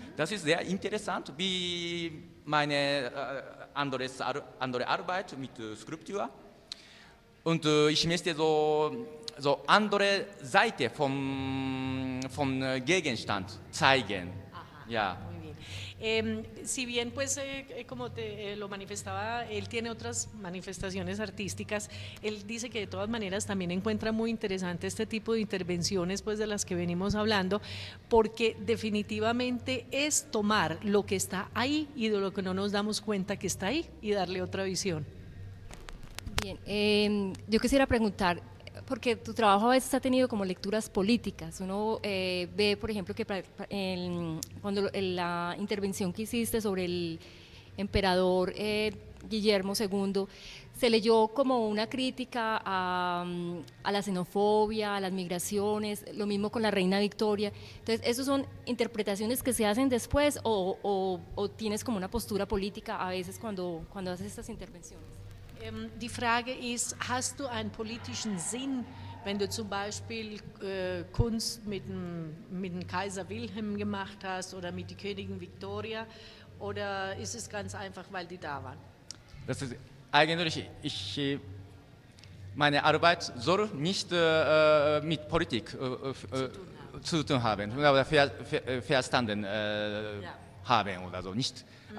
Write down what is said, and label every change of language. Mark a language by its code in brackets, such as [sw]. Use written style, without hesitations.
[de] Das ist sehr interessant, wie meine andere Arbeit mit Skulptur. Und ich möchte so andere Seite vom Gegenstand zeigen. Aha. Ja. [es] Si bien, pues, como te lo manifestaba, él tiene otras manifestaciones artísticas, él dice que de todas maneras también encuentra muy interesante este tipo de intervenciones, pues, de las que venimos hablando, porque definitivamente es tomar lo que está ahí y de lo que no nos damos cuenta que está ahí y darle otra visión. Bien, yo quisiera preguntar, porque tu trabajo a veces ha tenido como lecturas políticas. Uno ve, por ejemplo, que cuando la intervención que hiciste sobre el emperador Guillermo II, se leyó como una crítica a la xenofobia, a las migraciones, lo mismo con la reina Victoria. Entonces, ¿esas son interpretaciones que se hacen después o tienes como una postura política a veces cuando haces estas intervenciones? [de] Die Frage ist, hast du einen politischen Sinn, wenn du zum Beispiel Kunst mit dem Kaiser Wilhelm gemacht hast oder mit der Königin Victoria, oder ist es ganz einfach, weil die da waren? Das ist eigentlich, meine Arbeit soll nicht mit Politik zu tun haben oder verstanden haben oder so. Nicht.